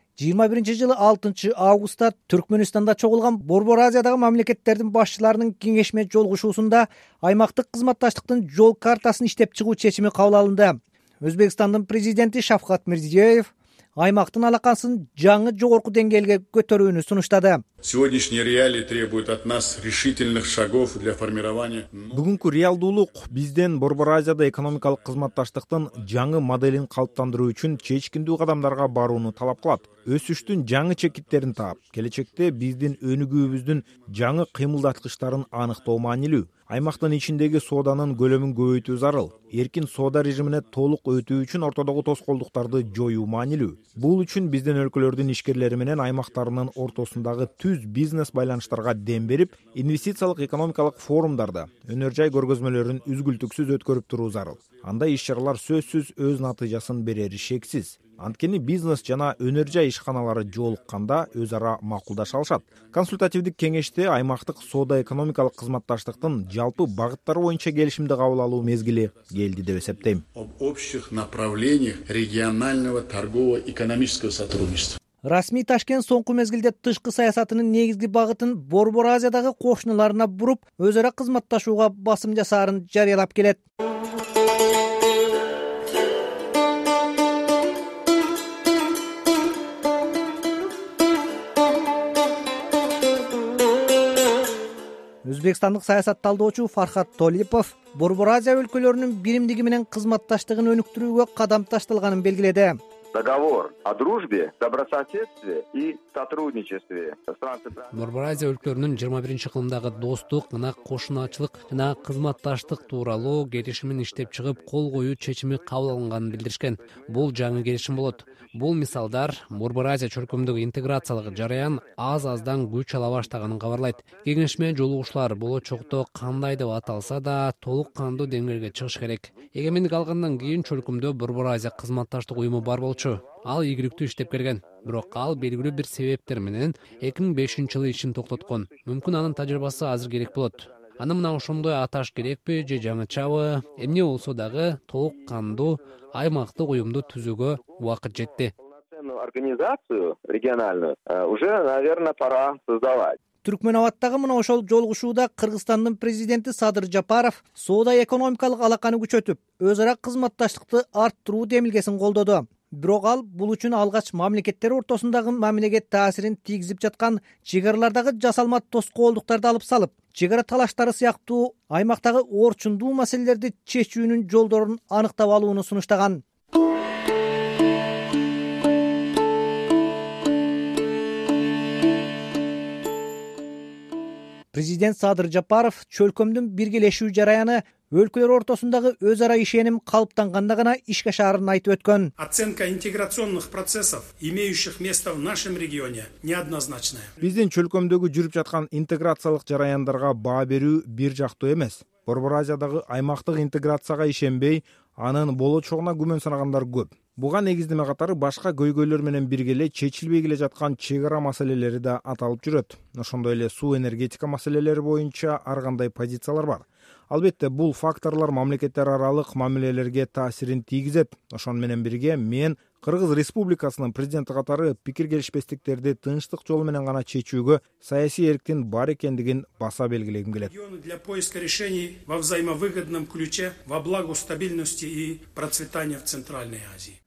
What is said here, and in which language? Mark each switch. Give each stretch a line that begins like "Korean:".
Kyrgyz: 21 жылы 6 августта Түркмөнстанда чогулган Борбор Азиядагы мамлекеттердин башчыларынын кеңешме жолугушуусунда аймактык кызматташтыктын жол картасын иштеп чыгуу чечими кабыл алынды. Өзбекстандын президенти Шавкат Мирзиёев аймактын алакасын жаңы жогорку деңгээлге көтөрүүнү сунуштады.
Russian: Сегодняшние реалии требуют от нас решительных шагов для формирования.
Kyrgyz: Бүгүнкү реалдуулук бизден Борбор Азияда экономикалык кызматташтыктын жаңы моделин калыптандыруу үчүн чечкиндүү кадамдарга барууну талап кылат. Өсүштүн жаңы чекиттерин таап, келечекте биздин өнүгүүбүздүн жаңы кыймылдаткычтарын аныктоо маанилүү. Аймактын ичиндеги сооданын көлөмүн көбөйтүү зарыл. Эркин соода режимине толук өтүү үчүн ортодогу тоскоолдуктарды жоюу маанилүү. Бул үчүн биздин өлкөлөрдүн ишкерлери менен аймактарынын ортосундагы түз бизнес байланыштарга дем берип, инвестициялык экономикалык форумдарда өнөр жай көргөзмөлөрүн үзгүлтүксүз өткөрүп туруу зарыл. Андай иш-чаралар сөзсүз өз натыйжасын берери шексиз. Анткени бизнес жана өнөр жай ишканалары жолукканда өз ара макулдаша алышат. Консультативдик кеңеште аймактык соода экономикалык кызматташтыктын жалпы багыттары боюнча келишимди кабыл алуу мезгили келди деп эсептейм.
Russian: Об общих направлениях регионального торгово-экономического сотрудничества.
Kyrgyz: Расмий Ташкент соңку мезгилде тышкы саясатынын негизги багытын Борбор Азиядагы кошуналарына буруп, өз ара кызматташууга басым жасаарын жарыялап келет. Өзбекстандык саясат талдоочу Фархат Толипов Борбор Азия өлкөлөрүнүн биримдиги менен кызматташтыгын өнүктүрүүгө кадам ташталганын белгиледи.
Russian: Договор о дружбе, добрососедстве и сотрудничестве стран
Kyrgyz: Борбор Азия өлкөлөрүнүн 21-чы кылымдагы достук, жана кошуначылык жана кызматташтык тууралуу келишимин иштеп чыгып, кол коюу чечими кабыл алынганын билдиришкен. Бул жаңы келишим болот. Бул мисалдар Борбор Азия чөркөмдөгү интеграциялык жараян аз-аздан күч ала баштаганын кабарлайт. Кеңешме жолугушуулар болочокто кандай деп аталса да, толук кандуу деңгээлге чыгыш керек. Эгемендик алгандан кийин чөркөмдө Борбор Азия кызматташтык уюму бар болчу. Ал ийгиликтүү иштеп келген. Бирок ал белгилүү бир себептер менен 2005 жылы ишин токтоткон. Мүмкүн анын тажрыйбасы азыр керек болот. Аны мына ошондой аташ керекпи же жаңычабы? Эмне болсо дагы толук кандуу аймактык уюмду түзүүгө убакыт жетти.
Russian: Организацию региональную уже, наверное, пора создавать.
Kyrgyz: Түркмөнабаттагы мына ошол жолугушууда Кыргызстандын президенти Садыр Жапаров соода экономикалык алаканы күчөтүп, өз ара кызматташтыкты арттыруу демилгесин колдоду. Бирок ал бул үчүн алгач мамлекеттер ортосундагы мамилеге таасирин тийгизип жаткан чек аралардагы жасалма тоскоолдуктарды алып салып, чек ара талаштары сыяктуу аймактагы орчундуу маселелерди чечүүнүн жолдорун аныктап алууну сунуштаган. Президент Садыр Жапаров чөлкөмдүн биргелешүү жараяны өлкөлөр ортосундагы өз ара ишеним калыптанганда гана ишке ашарын айтып өткөн.
Russian: Оценка интеграционных процессов, имеющих место в нашем регионе, неоднозначная.
Kyrgyz: Биздин чөлкөмдөгү жүрүп жаткан интеграциялык жараяндарга баа берүү бир жактуу эмес. Борбор Азиядагы аймактык интеграцияга ишенбей, анын болочогуна күмөн санагандар көп. Буга негиздеме катары башка көйгөйлөр менен бирге эле чечилбей келе жаткан чек ара маселелери да аталып жүрөт. Ошондой эле суу энергетика маселелери боюнча ар кандай позициялар бар. Албетте, бул факторлор мамлекеттер аралык мамилелерге таасирин тийгизет. Ошон менен бирге мен Кыргыз Республикасынын президенти катары пикир келишпестиктерди тынчтык жолу менен гана чечүүгө саясий эрктин бар экендигин баса белгилегим келет.
Russian: Для поиска решений во взаимовыгодном ключе во благо стабильности и процветания в Центральной Азии.